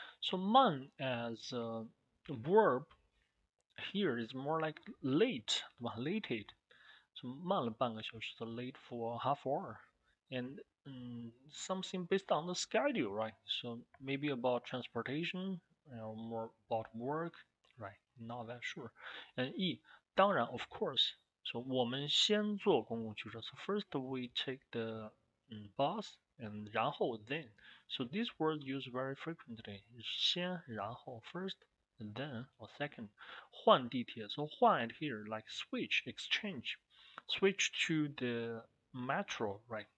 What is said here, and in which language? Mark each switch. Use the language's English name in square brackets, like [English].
[English] So 慢 as a verb here is more like late, lated. So [Chinese] 慢了半个小时, [English] so late for half hour. And something based on the schedule, right? So maybe about transportation, you know, more about work, right? Not that sure. And E, 当然, of course. [Chinese] So 我们先坐公共汽车. [English] So first we take the bus, and 然后, then. So this word used very frequently. 先, 然后, first, and then, or second. [Chinese] 换地铁. [English] So 换 it here, like switch, exchange. Switch to the metro, right?